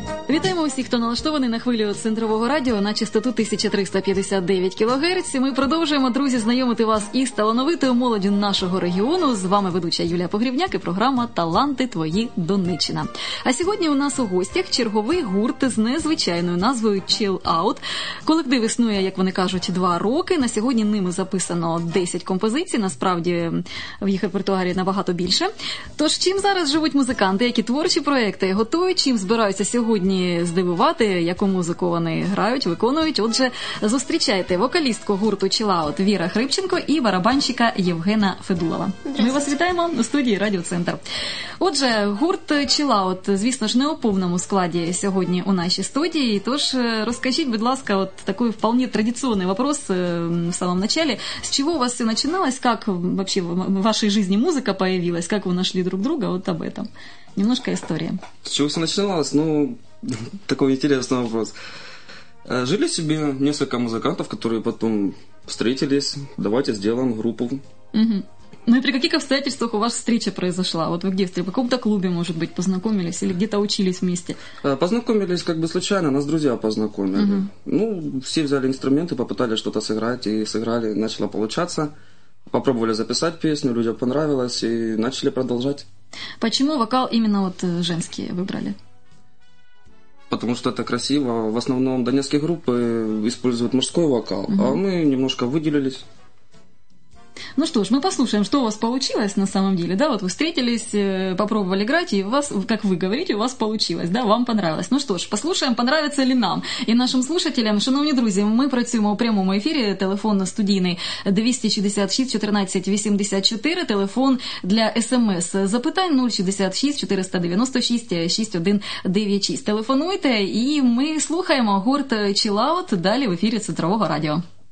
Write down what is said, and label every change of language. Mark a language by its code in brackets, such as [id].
[uk] Вітаємо усіх, хто налаштований на хвилю Центрового радіо на частоту 1359 кГц. Ми продовжуємо, друзі, знайомити вас із талановитою молоддю нашого регіону. З вами ведуча Юлія Погрівняк і програма «Таланти твої, Донеччина». А сьогодні у нас у гостях черговий гурт з незвичайною назвою «Chill Out». Колектив існує, як вони кажуть, 2 роки. На сьогодні ними записано 10 композицій. Насправді, в їх репертуарі набагато більше. Тож, чим зараз живуть музиканти, які творчі проекти готові, чим збираються сьогодні здивувати, яку музику вони грають, виконують. Отже, зустрічайте вокалістку гурту «Chill Out» Віра Хрипченко і барабанщика Євгена Федулова. Ми вас вітаємо у студії «Радіо Центр». Отже, гурт «Chill Out», звісно ж, не у повному складі сьогодні у нашій студії. Тож, розкажіть, будь ласка, от такий вполне традиційний вопрос в самому началі. З чого у вас все починалось? Як взагалі в вашій житті музика появилась? Як ви знайшли друг друга? [ru] От об этом. Немножко історія. С чего все начиналось? Ну, такой интересный вопрос. Жили себе несколько музыкантов, которые потом встретились. Давайте сделаем группу. Угу. Ну и при каких обстоятельствах у вас встреча произошла? Вот вы где встретились? В каком-то клубе, может быть, познакомились? Или где-то учились вместе? Познакомились как бы случайно, нас друзья познакомили. Угу. Ну, все взяли инструменты, попытались что-то сыграть, и сыграли, начало получаться. Попробовали записать песню, людям понравилось, и начали продолжать. Почему вокал именно вот женский выбрали? Потому что это красиво. В основном донецкие группы используют мужской вокал, угу. А мы немножко выделились. Ну что ж, мы послушаем, что у вас получилось на самом деле. Да, вот вы встретились, попробовали играть, и у вас, как вы говорите, у вас получилось, да, вам понравилось. Ну что ж, послушаем, понравится ли нам. И нашим слушателям, [uk] шановні друзі, ми працюємо у прямому ефірі, телефон на студійний 266-14-84, телефон для СМС. Запитань 066-496-6196. Телефонуйте, і ми слухаємо гурт «Chill Out» далі в ефірі Центрового радіо.